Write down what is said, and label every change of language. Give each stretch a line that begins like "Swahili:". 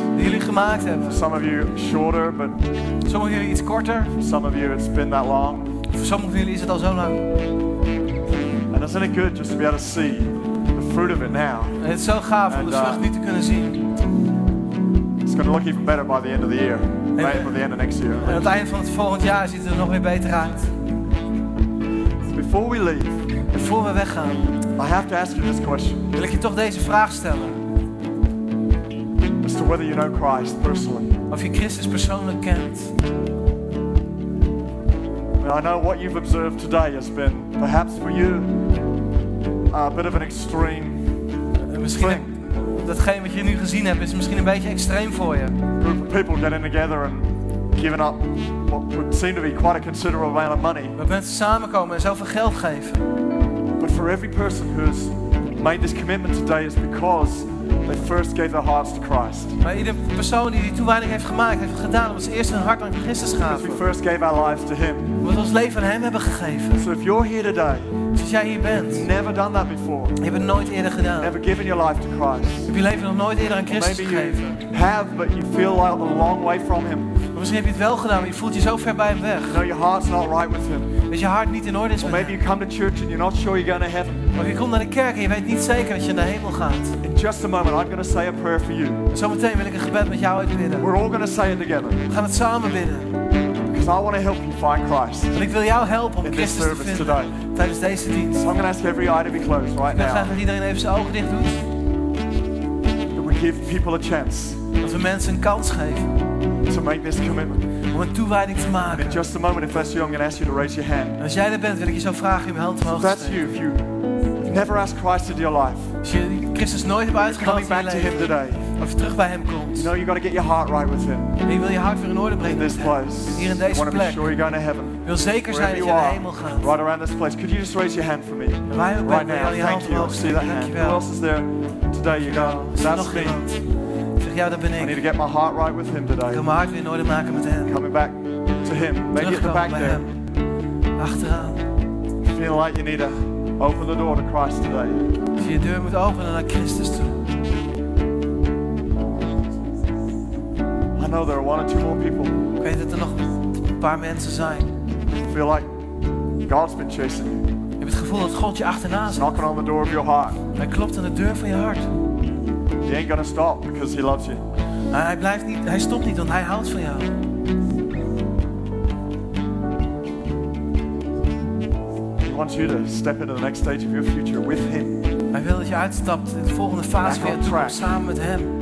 Dutch: Die jullie gemaakt hebben.
English: Some of you shorter, but.
Dutch: Sommigen jullie iets korter.
English: Some of you it's been that long.
Dutch: Voor sommigen jullie is het al zo lang.
English: And isn't it good just to be able to see the fruit of it now?
Dutch: En het is zo gaaf om de vrucht nu te kunnen zien.
English: It's going to look even better by the end of the year. Right by the end of next year.
Dutch: En aan het eind van het volgend jaar ziet het er nog weer beter uit.
English: Before we leave,
Dutch: voor we weggaan,
English: I have to ask you this question.
Dutch: Wil ik je toch deze vraag stellen?
English: As to whether you know Christ personally.
Dutch: Of je Christus persoonlijk kent.
English: Well, I know what you've observed today has been, perhaps for you, a bit of an extreme thing.
Dutch: Datgene wat je nu gezien hebt is misschien een beetje extreem voor je.
English: Group of people getting together and giving up what would seem to be quite a considerable amount of money.
Dutch: We mensen samenkomen en zoveel geld geven.
English: But for every person who's made this commitment today is because they first gave their hearts to Christ.
Dutch: Maar iedere persoon die toewijding heeft gemaakt, heeft gedaan omdat ze eerst hun hart aan Christus gaven.
English: Because we first gave our lives to Him.
Dutch: Omdat we ons leven aan Hem hebben gegeven.
English: So if you're here today,
Dutch: dus als jij hier bent,
English: never done that before.
Dutch: Je hebt het nooit eerder gedaan.
English: Never given your life to Christ.
Dutch: Heb je leven nog nooit eerder aan Christus
English: maybe
Dutch: gegeven?
English: You have, but you feel like a long way from Him.
Dutch: Misschien heb je het wel gedaan, maar je voelt je zo ver bij hem weg.
English: No, your heart's not right with him.
Dutch: Dat je hart niet in orde is met maybe hem.
English: You come to church and you're not sure you're going to heaven.
Dutch: Of je komt naar de kerk en je weet niet zeker dat je naar de hemel gaat.
English: In just a moment, I'm going to say a prayer for you.
Dutch: Zometeen wil ik een gebed met jou uitbidden.
English: We're all going to say it together.
Dutch: We gaan het samen bidden.
English: Because I want to help you find Christ.
Dutch: Want ik wil jou helpen om in Christus
English: this service
Dutch: te vinden.
English: Today.
Dutch: Tijdens deze dienst.
English: So I'm going to ask every eye to be closed right now.
Dutch: Ik wil graag dat iedereen even zijn ogen dicht doet.
English: That we give people a chance.
Dutch: Dat we mensen een kans geven.
English: To make this commitment.
Dutch: Om een toewijding te maken.
English: In just a moment, if that's you, I'm going to ask you to raise your hand.
Dutch: Als jij er bent, wil ik je zo vragen om je hand te mogen.
English: That's you. If you never asked Christ into your life.
Dutch: Als je Christus nooit hebt uitgenodigd.
English: Coming back to Him today.
Dutch: Of je terug bij Hem komt.
English: You know you got to get your heart right with Him.
Dutch: En je wil je hart weer in orde brengen.
English: In this place.
Dutch: Hier in deze plek.
English: Want to be sure you're going to heaven.
Dutch: Wil zeker zijn dat je naar de hemel gaat.
English: Right around this place. Could you just raise your hand for me? Right now. Thank you. See that hand. Who else is there today? You go. That's me.
Dutch: Ja, dat ben ik.
English: I need to get my heart right with Him today.
Dutch: Ik wil mijn hart weer in orde maken met Hem.
English: Coming back to Him. Maybe at the back there.
Dutch: Hem. Achteraan.
English: Feel like you need to open the door to Christ today.
Dutch: Als je deur moet openen naar Christus toe.
English: I know there are one or two more people.
Dutch: Ik weet dat er nog een paar mensen zijn.
English: Feel like God's been chasing you.
Dutch: Je hebt het gevoel dat God je achterna zit.
English: Knocking on the door of your heart.
Dutch: Hij klopt aan de deur van je hart.
English: ain't gonna stop because he loves you.
Dutch: Hij stopt niet, want hij houdt van jou.
English: He wants you to step into the next stage of your future with him.
Dutch: Hij wil dat je uitstapt in de volgende fase van je toekomst samen met hem.